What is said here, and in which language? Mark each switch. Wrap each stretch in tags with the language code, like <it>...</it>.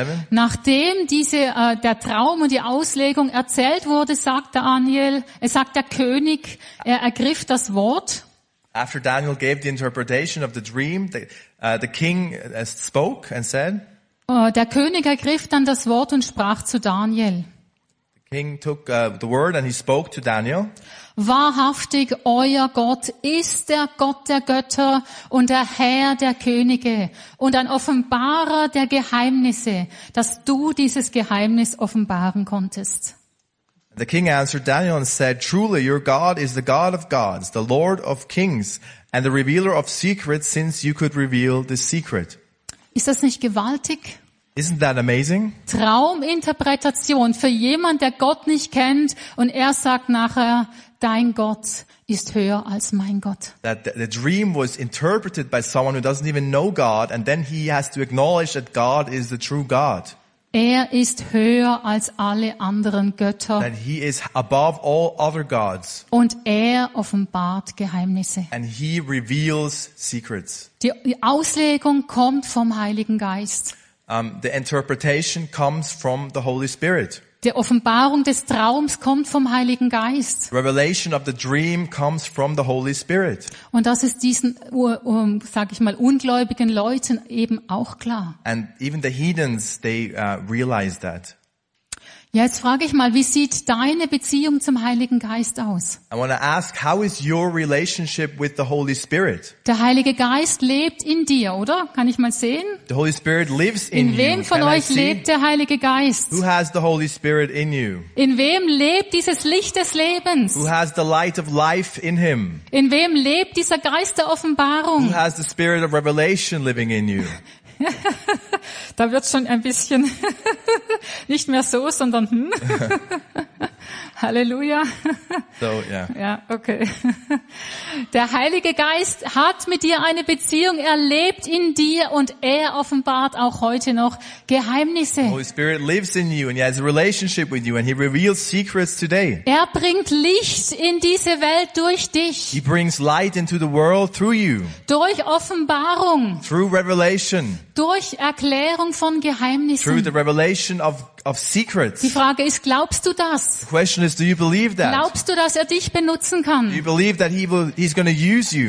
<de>Nachdem der Traum und die Auslegung erzählt wurde, sagt der König, er ergriff das Wort.</de> <en>After Daniel gave the interpretation of the dream, the king spoke and said.</en> <de>Der König ergriff dann das Wort und sprach zu Daniel.</de> <en>The king took the word and he spoke to Daniel.</en> <de>Wahrhaftig, euer Gott ist der Gott der Götter und der Herr der Könige und ein Offenbarer der Geheimnisse, dass du dieses Geheimnis offenbaren konntest.</de> <en>The king answered Daniel and said, truly, your God is the God of gods, the Lord of kings and the revealer of secrets, since you could reveal this secret.</en> <de>Ist das nicht gewaltig?</de> <en>Isn't that amazing?</en> <de>Trauminterpretation für jemand, der Gott nicht kennt und er sagt nachher, dein Gott ist höher als mein Gott.</de> <en>That the dream was interpreted by someone who doesn't even know God and then he has to acknowledge that God is the true God.</en> <de>Er ist höher als alle anderen Götter.</de> <en>That he is above all other gods.</en> <de>Und er offenbart Geheimnisse.</de> <en>And he reveals secrets.</en> <de>Die Auslegung kommt vom Heiligen Geist.</de> <en>The interpretation comes from the Holy Spirit.</en> <de>Die Offenbarung des Traums kommt vom Heiligen Geist.</de> <en>Revelation of the dream comes from the Holy Spirit.</en> <de>Und das ist diesen, sage ich mal, ungläubigen Leuten eben auch klar.</de> <en>And even the heathens, they realize that.</en> <de>Jetzt frage ich mal, wie sieht deine Beziehung zum Heiligen Geist aus?</de> <en>I want to ask, how is your relationship with the Holy Spirit?</en> <de>Der Heilige Geist lebt in dir, oder? Kann ich mal sehen?</de> <en>The Holy Spirit lives in you.</en> <de>In wem von euch lebt der Heilige Geist?</de> <en>Who has the Holy Spirit in you?</en> <de>In wem lebt dieses Licht des Lebens?</de> <en>Who has the light of life in him?</en> <de>In wem lebt dieser Geist der Offenbarung?</de> <en>Who has the Spirit of Revelation living in you?</en> <de>Da wird schon ein bisschen nicht mehr so, sondern Halleluja.</de> <en>So, yeah.</en> <de>Ja, okay. Der Heilige Geist hat mit dir eine Beziehung, er lebt in dir und er offenbart auch heute noch Geheimnisse.</de> <en>The Holy Spirit lives in you and he has a relationship with you and he reveals secrets today.</en> <de>Er bringt Licht in diese Welt durch dich.</de> <en>He brings light into the world through you.</en> <de>Durch Offenbarung.</de> <en>Through revelation.</en> <de>Durch Erklärung von Geheimnissen.</de> <en>Through the revelation of secrets.</en> <de>Die Frage ist, glaubst du das?</de> <en>The question is, do you believe that?</en> <de>Glaubst du, dass er dich benutzen kann?</de> <en>Do you believe that he's going to use you?</en>